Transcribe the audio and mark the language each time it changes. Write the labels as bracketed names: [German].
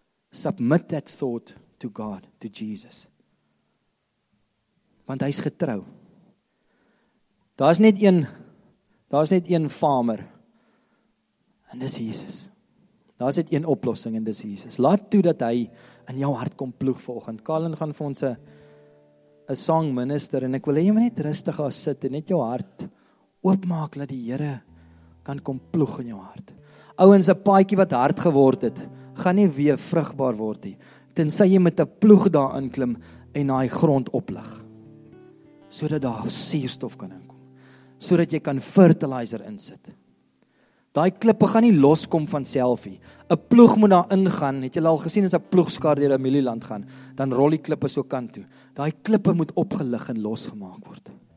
[English] Submit that thought to God, to Jesus. [Afrikaans] Want hy's getrou. Daar's net een farmer. En dis Jesus. Daar's net een oplossing en dis Jesus. Laat toe dat hy in jou hart kom ploeg vanoggend. Colin gaan vir ons 'n [English] song minister [Afrikaans] en ek wil hê jy moet net rustig daar sit en net jou hart oopmaak dat die Here kan kom ploeg in jou hart. Ouens, 'n paadjie wat hard geword het, gaan nie weer vrugbaar word nie, tensy jy met 'n ploeg daarin klim en daai grond oplig. Sodat daar suurstof kan inkom, sodat jy kan fertilizer insit. Daai klippe gaan nie loskom van self nie. 'n Ploeg moet daar ingaan. Het julle al gesien as 'n ploegskaar deur 'n mielieland gaan, dan rol die klippe so kant toe. Daai klippe moet opgelig en losgemaak word.